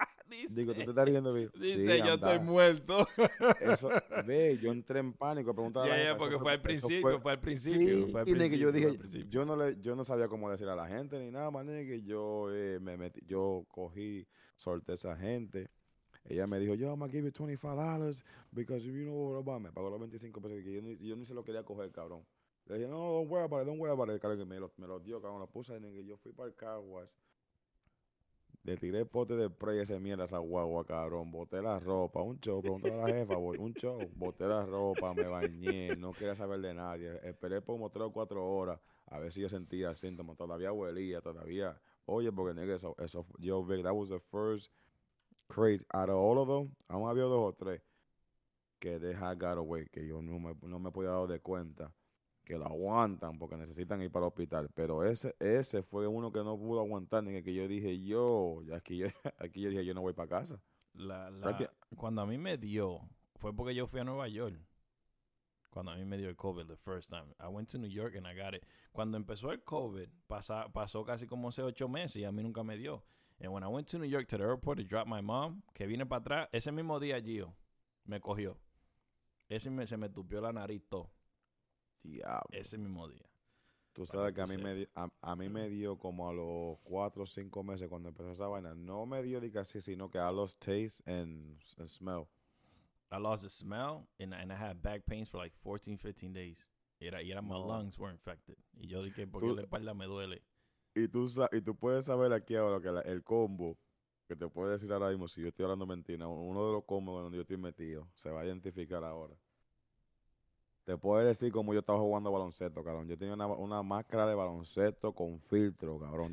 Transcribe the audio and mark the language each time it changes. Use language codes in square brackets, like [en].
[es] Dice, digo, ¿tú te estás riendo, viejo? Dice, sí, yo estoy muerto. Eso, ve, yo entré en pánico. Preguntaba a la gente. Ya, porque fue al principio. Y yo dije, yo no sabía cómo decir a la gente ni nada, man. Que yo cogí, solté a esa gente. Ella me dijo, yo, [en] I'm going to give you $25 because you know what about me. [es] Pagó los 25 pesos. Que yo ni se lo quería coger, cabrón. Le dije, no, [en] don't worry about it. [es] El carro que me lo dio, cabrón, lo puse en el que yo fui para el car wash. Le tiré el pote de spray ese mierda a esa guagua, cabrón. Boté la ropa, un show, pregúntale a la jefa, un show. Boté la ropa, me bañé, no quería saber de nadie. Esperé por como 3 o 4 horas a ver si yo sentía síntomas. Todavía huelía, todavía. Oye, porque [en] nigga, [es] eso, yo vi, [en] that was the first crazy. Out of all of them, [es] aún había 2 o 3 que deja [en] got away, [es] que yo no me podía dar de cuenta. Que lo aguantan porque necesitan ir para el hospital. Pero ese fue uno que no pudo aguantar, ni que yo dije, yo dije, yo no voy para casa. Cuando a mí me dio, fue porque yo fui a Nueva York. Cuando a mí me dio el COVID [en] the first time. I went to New York and I got it. [es] Cuando empezó el COVID, pasó casi como hace 8 meses y a mí nunca me dio. [en] And when I went to New York to the airport to drop my mom, [es] que vine para atrás, ese mismo día Gio me cogió. Ese se me tupió la nariz todo. Diablo. Ese mismo día. Tú sabes que a mí me dio como a los 4 o 5 meses cuando empezó esa vaina. No me dio de casi, sino que [en] I lost taste and smell. I lost the smell and I had back pains for like 14, 15 days. [es] Y era [en] my lungs were infected. [es] Y yo dije, porque la espalda me duele. Y tú puedes saber aquí ahora que el combo, que te puedo decir ahora mismo, si yo estoy hablando mentira, uno de los combos donde yo estoy metido se va a identificar ahora. Te puedo decir cómo yo estaba jugando baloncesto, cabrón. Yo tenía una máscara de baloncesto con filtro, cabrón.